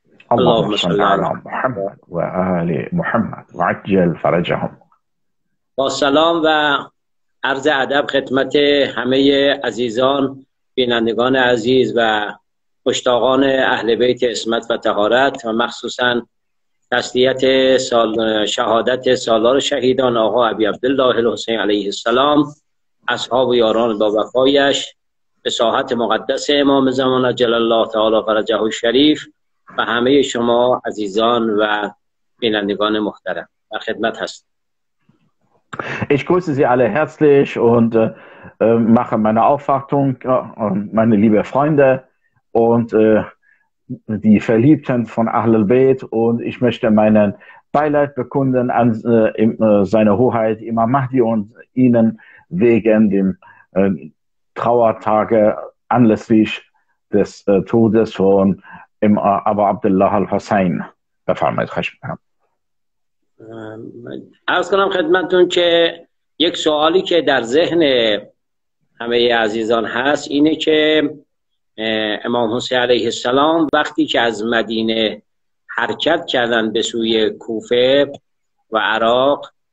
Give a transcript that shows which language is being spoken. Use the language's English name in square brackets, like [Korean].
[Arabic] اللهم صل على محمد وآل محمد وعجل فرجهم. [Persian] با سلام و عرض ادب خدمت همه عزیزان، بینندگان عزیز و مشتاقان اهل بیت عصمت و طهارت و مخصوصا تسلیت شهادت سالار شهیدان آقا ابی عبدالله الحسین علیه السلام، اصحاب و یاران با وفایش به ساحت مقدس امام زمان جلال الله تعالی فرجه و شریف و همه شما عزیزان و بینندگان محترم در خدمت هست. [German] Ich grüße Sie alle herzlich und mache meine Aufwartung, meine liebe Freunde und die Verliebten von Ahlul Bayt, und ich möchte meinen Beileid bekunden an seine Hoheit Imam Mahdi und Ihnen wegen dem Trauertage anlässlich des Todes von Abu Abdullah al-Hussein. [Persian] بفرمایید، خواهش می‌کنم. عرض کنم خدمتتون که یک سوالی که در ذهن همه عزیزان هست اینه که امام حسین علیه السلام وقتی که از مدینه حرکت کردن به سوی کوفه و عراق